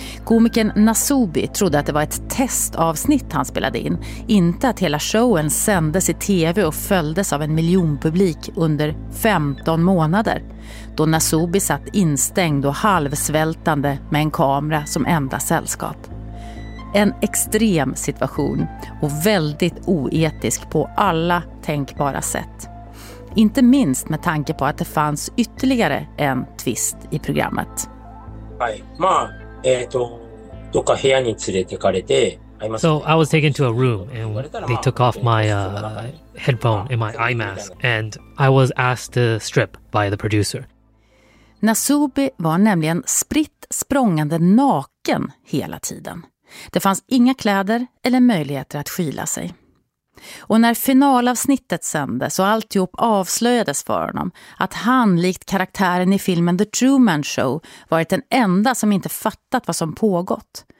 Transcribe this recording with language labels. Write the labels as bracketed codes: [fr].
[sv] Komikern Nasubi trodde att det var ett testavsnitt han spelade in, inte att hela showen sändes i tv och följdes av en miljonpublik under 15 månader, då Nasubi satt instängd och halvsvältande med en kamera som enda sällskap. En extrem situation och väldigt oetisk på alla tänkbara sätt. Inte minst med tanke på att det fanns ytterligare en twist i programmet. [en] So I was taken to a room and they took off my headphone and my eye mask, and I was asked to strip by the producer. [sv] Nasubi var nämligen spritt språngande naken hela tiden. Det fanns inga kläder eller möjligheter att skyla sig. Och när finalavsnittet sändes och alltihop avslöjades för honom att han, likt karaktären i filmen The Truman Show, varit den enda som inte fattat vad som pågått.